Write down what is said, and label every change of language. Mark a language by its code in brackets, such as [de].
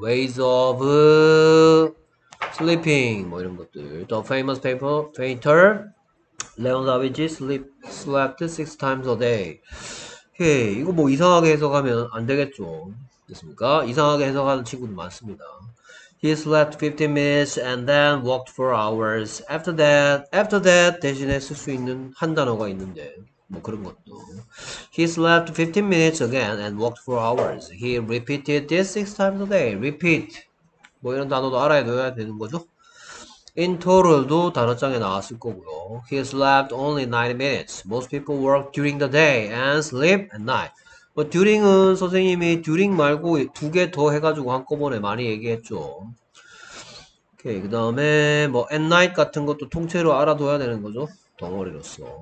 [en] ways of sleeping [ko] 뭐 이런 것들. [en] The famous painter Leonardo da Vinci slept six times a day. 오케이. [ko] 이거 뭐 이상하게 해석하면 안 되겠죠. 됐습니까? 이상하게 해석하는 친구도 많습니다. [en] He slept 15 minutes and then walked for hours. After that [ko] 대신에 쓸수 있는 한 단어가 있는데. 뭐 그런 것도. [en] He slept 15 minutes again and walked for hours. He repeated this six times a day. Repeat. [ko] 뭐 이런 단어도 알아야 되는 거죠. [en] In total도 [ko] 단어장에 나왔을 거고요. [en] He slept only 90 minutes. Most people work during the day and sleep at night. [ko] 뭐 during은 선생님이 during 말고 두개더 해가지고 한꺼번에 많이 얘기했죠. 오케이. 그 다음에 뭐 at night 같은 것도 통째로 알아둬야 되는 거죠. 덩어리로서.